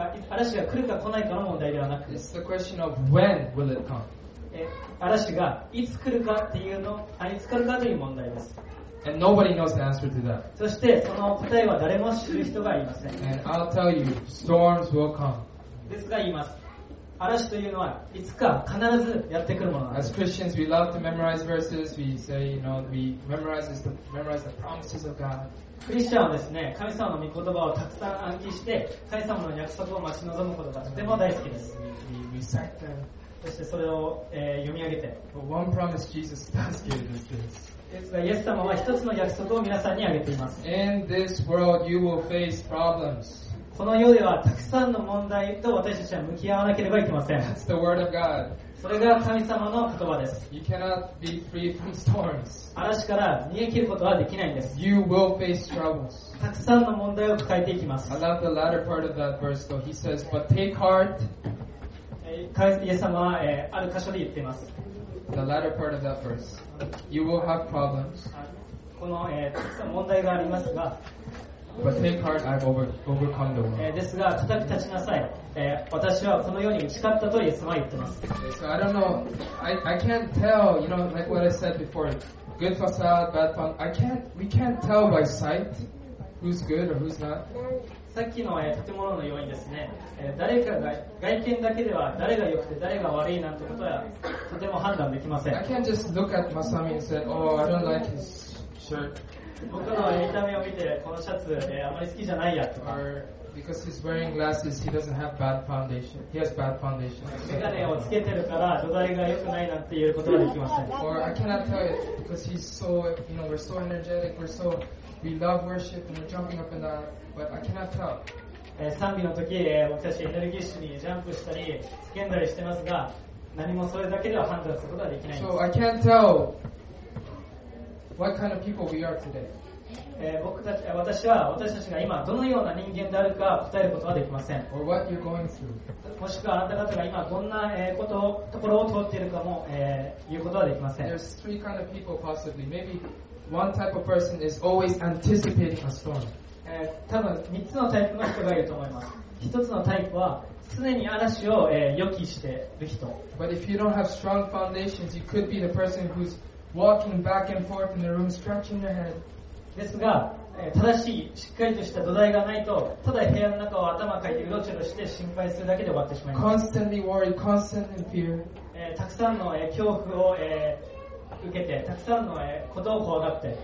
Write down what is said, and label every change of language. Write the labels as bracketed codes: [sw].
[ja] 嵐が来るか来ないかの問題ではなく、 [en] It's the question of when will it come. [ja] 嵐がいつ来るかっていうの、いつ来るかという問題です。 [en] And nobody knows the answer to that. [ja] そしてその答えは誰も知る人がいません。 [en] And I'll tell you, storms will come. [ja] ですが言います。嵐というのはいつか必ずやってくるものなんです。 [en] As Christians, we love to memorize verses. We say, you know, we memorize the promises of God. [ja] クリスチャンはですね、神様の御言葉をたくさん暗記して、神様の約束を待ち望むことがとても大好きです。 [en] We recite them. [ja] そしてそれを、読み上げて。 [en] But one promise Jesus does give is this. [ja] イエス様は一つの約束を皆さんに挙げています。 [en] In this world, you will face problems. [ja] この世ではたくさんの問題と私たちは向き合わなければいけません。 [en] That's the word of God. [ja] それが神様の言葉です。 [en] You cannot be free from storms. [ja] 嵐から逃げ切ることはできないんです。 [en] You will face troubles. [ja] たくさんの問題を抱えていきます。 [en] I love the latter part of that verse though. He says, but take heart. [ja] イエス様は、ある箇所で言っています。 [en] The latter part of that verse. You will have problems. [ja] この、たくさん問題がありますが、 [en] But take heart, I've overcome the world. [ja] ですが、固く立ちなさい。私はこのように打ち勝ったとイエス様は言ってます。 [en] So I don't know. I can't tell. You know, like what I said before. Good facade, bad facade. We can't tell by sight who's good or who's not. [ja] さっきの建物のようにですね、誰かが外見だけでは誰が良くて誰が悪いなんてことはとても判断できません。 [en] I can't just look at Masami and say, oh, I don't like his shirt. [ja] 僕の見た目を見てこのシャツ、あまり好きじゃないやとか。 [en] Or because he's wearing glasses, he doesn't have bad foundation. He has bad foundation. [ja] 眼鏡をつけてるから土台が良くないなんていうことはできません。 [en] Or I cannot tell it because he's so, you know, we're so energetic, we're so, we love worship and we're jumping up and down. But I cannot tell. [ja] 賛美の時、僕たちエネルギッシュにジャンプしたり叫んだりしてますが、何もそれだけでは判断することはできないんです。 [en] So I can't tell what kind of people we are today. [ja] 私たちが今どのような人間であるか答えることはできません。 [en] Or what you're going through. [ja] もしくはあなた方が今どんなことをところを通っているかも、言うことはできません。 [en] There's three kind of people possibly. Maybe one type of person is always anticipating a storm. [ja] 多分3つのタイプの人がいると思います。1つのタイプは常に嵐を、予期している人。 [en] But if you don't have strong foundations, you could be the person who's walking back and forth in the room scratching their head. [ja] ですが、正しいしっかりとした土台がないと、ただ部屋の中を頭かいてうろちょろして心配するだけで終わってしまいます。 [en] Constantly worried, constantly fear. [ja] たくさんの、恐怖を、受けて、たくさんの、ことを怖がって、